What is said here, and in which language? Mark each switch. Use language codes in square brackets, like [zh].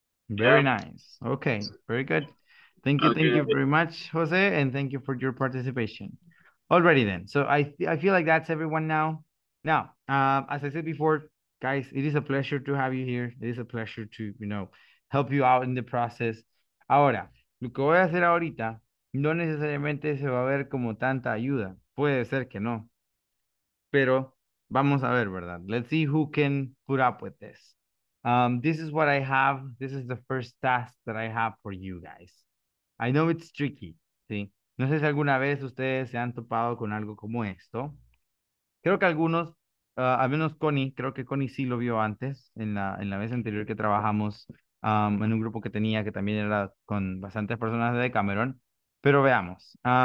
[en] Very nice. Okay. Very good. Thank you. Okay. Thank you very much, Jose, and thank you for your participation. Alrighty then. So I feel like that's everyone now. Now, as I said before, guys, it is a pleasure to have you here. It is a pleasure to, you know, help you out in the process. [es] Ahora, lo que voy a hacer ahorita no necesariamente se va a ver como tanta ayuda. Puede ser que no. Pero vamos a ver, ¿verdad? [en] Let's see who can put up with this. This is what I have. This is the first task that I have for you guys. I know it's tricky, ¿sí? [es] No sé si alguna vez ustedes se han topado con algo como esto. Creo que algunos, al menos Connie, creo que Connie sí lo vio antes, en la vez anterior que trabajamos en un grupo que tenía, que también era con bastantes personas de Cameron. Pero veamos.